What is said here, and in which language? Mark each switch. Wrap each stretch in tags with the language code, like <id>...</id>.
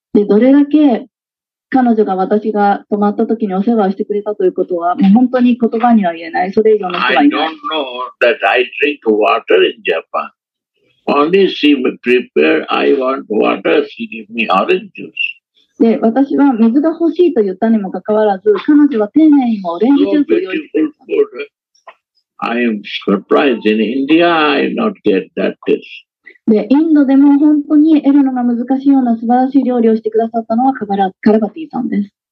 <ja>で、どれだけ彼女が私が泊まった時にお世話してくれたということは、もう本当に言葉には言えない。それ以上の人はいない。</ja> <en>I don't know that I drink water in Japan. Only she prepared, I want water, she gave me orange juice.</en> <ja>で、私は水が欲しいと言ったにもかかわらず、彼女は丁寧にもオレンジジュースを用意して</ja> <en>た。I am surprised. In India, I not get that taste.</en> <ja>で、インドでも本当に得るのが難しいような素晴らしい料理をしてくださったのはカラバティさんです。</ja>